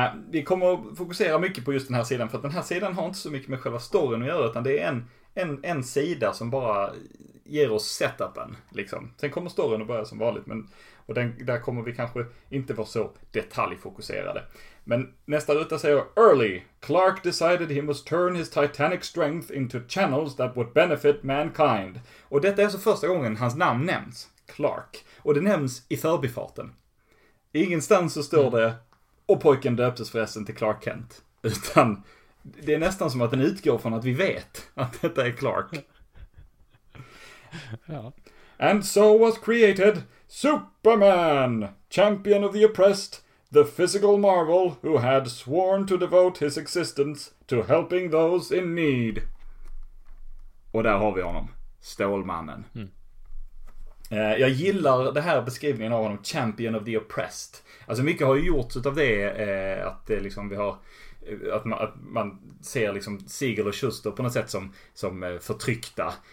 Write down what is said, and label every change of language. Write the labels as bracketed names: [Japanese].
[Swedish] Vi kommer att fokusera mycket på just den här sidan, för att den här sidan har inte så mycket med själva storyn att göra, utan det är en sida som bara ger oss setupen, liksom. Sen kommer storyn att börja som vanligt, där kommer vi kanske inte vara så detaljfokuserade. Men nästa ruta säger: [English] Early, Clark decided he must turn his titanic strength into channels that would benefit mankind. [Swedish] Och detta är så första gången hans namn nämns, Clark. Och det nämns i förbifarten. Ingenstans så står det, och pojken döptes förresten till Clark Kent. Utan det är nästan som att den utgår från att vi vet att detta är Clark. Ja. [English] And so was created Superman, champion of the oppressed, the physical marvel who had sworn to devote his existence to helping those in need. [Swedish] Och där har vi honom, Stålmannen. Jag gillar det här beskrivningen av honom, [English] champion of the oppressed. [Swedish] Alltså mycket har ju gjorts av det, att det liksom vi har att man ser liksom Siegel och Schuster på något sätt som förtryckta.